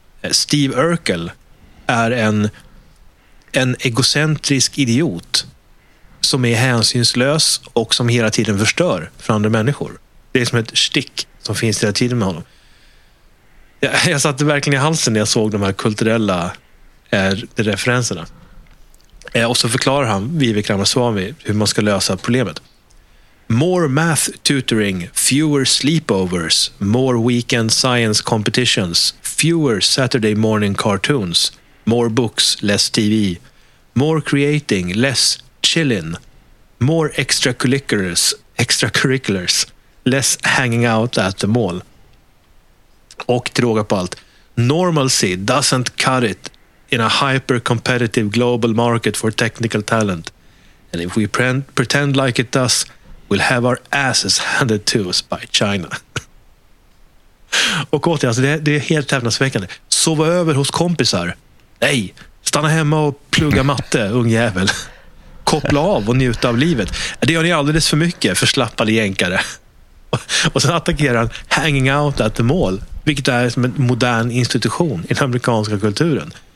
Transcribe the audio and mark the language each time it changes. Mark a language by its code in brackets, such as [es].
[sv] Steve Urkel är en egocentrisk idiot som är hänsynslös och som hela tiden förstör för andra människor. Det är som ett stick som finns hela tiden med honom. Jag satt verkligen i halsen när jag såg de här kulturella referenserna. Och så förklarar han, Vivek Ramaswamy, hur man ska lösa problemet. [en] More math tutoring, fewer sleepovers, more weekend science competitions, fewer Saturday morning cartoons, more books, less TV, more creating, less chilling, more extracurriculars, less hanging out at the mall. [sv] Och till råga på allt, [en] normalcy doesn't cut it in a hyper-competitive global market for technical talent. And if we pretend like it does, we'll have our asses handed to us by China. [sv] Och åter, alltså, det är helt häpnadsväckande. Sova över hos kompisar. Nej, stanna hemma och plugga matte, ung jävel. Koppla av och njuta av livet. Det gör ni alldeles för mycket, förslappade jänkare. Och sen attackerar han [en] hanging out at the mall, [sv] vilket är som en modern institution i den amerikanska kulturen.